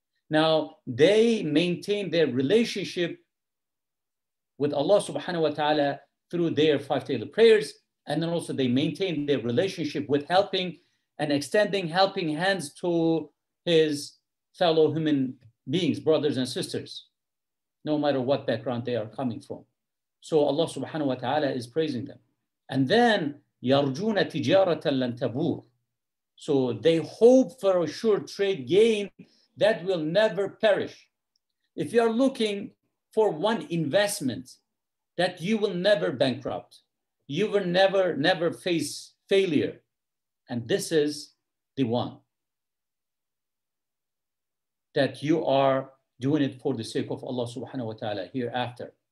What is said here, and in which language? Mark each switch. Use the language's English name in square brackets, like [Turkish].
[English] Now, they maintain their relationship with Allah subhanahu wa ta'ala through their five daily prayers, and then also they maintain their relationship with helping and extending helping hands to his fellow human beings, brothers and sisters, no matter what background they are coming from. So Allah subhanahu wa ta'ala is praising them. And then, [Arabic] يَرْجُونَ تِجَارَةً لَن تَبُورُ. [English] So they hope for a sure trade gain that will never perish. If you are looking for one investment that you will never bankrupt, you will never face failure. And this is the one that you are doing it for the sake of Allah subhanahu wa ta'ala hereafter.